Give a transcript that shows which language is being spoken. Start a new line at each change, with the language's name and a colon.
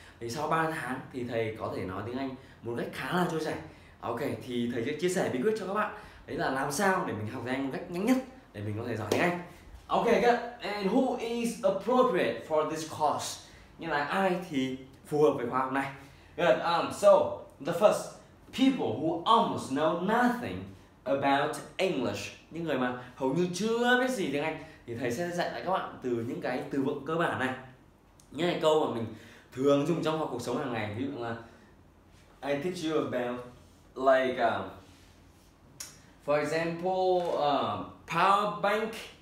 Vietnamese: Thì sau 3 tháng thì thầy có thể nói tiếng Anh một cách khá là trôi chảy. Ok, thì thầy sẽ chia sẻ bí quyết cho các bạn. Đấy là làm sao để mình học tiếng Anh một cách nhanh nhất để mình có thể giỏi tiếng Anh.
English: Ok, good. And who is appropriate for this course?
Vietnamese: Nghĩa là ai thì phù hợp với khóa học này.
English: Good. So, the first, people who almost know nothing about English.
Vietnamese: Những người mà hầu như chưa biết gì tiếng Anh thì thầy sẽ dạy lại các bạn từ những cái từ vựng cơ bản này. Những cái câu mà mình thường dùng trong cuộc sống hàng ngày. Ví dụ là
English: I teach you about like for example power bank.